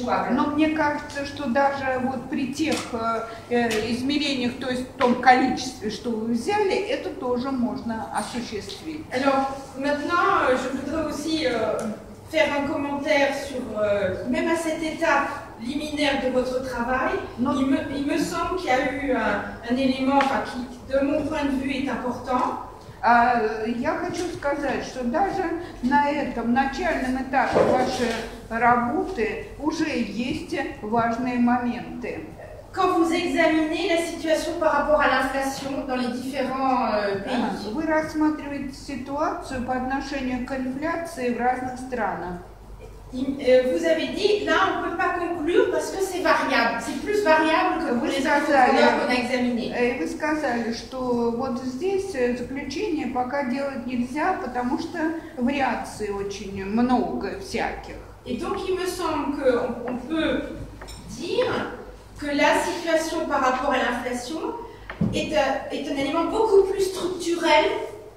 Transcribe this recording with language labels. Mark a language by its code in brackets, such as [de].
[ru] Но мне кажется, что даже вот при тех измерениях, то есть в том количестве, что вы взяли, это тоже можно осуществить. [fr] Alors, maintenant, je voudrais aussi faire un commentaire sur, même à cette étape, liminaire de votre travail, il me semble qu'il y a eu un élément enfin, qui, de mon point de vue, est important. [ru] Я хочу сказать, что даже на этом начальном этапе вашей работы уже есть важные моменты. [fr] Quand vous examinez la situation par rapport à l'inflation dans les différents pays. [ru] Вы рассматриваете ситуацию по отношению к инфляции в разных странах. [fr] Vous avez dit, là on ne peut pas conclure parce que c'est variable, c'est plus variable que vous les autres facteurs qu'on a examinés. Et vous avez dit que [ru] вот здесь заключение пока делать нельзя, потому что вариаций очень много всяких. [fr] Et donc il me semble qu'on peut dire que la situation par rapport à l'inflation est un élément beaucoup plus structurel.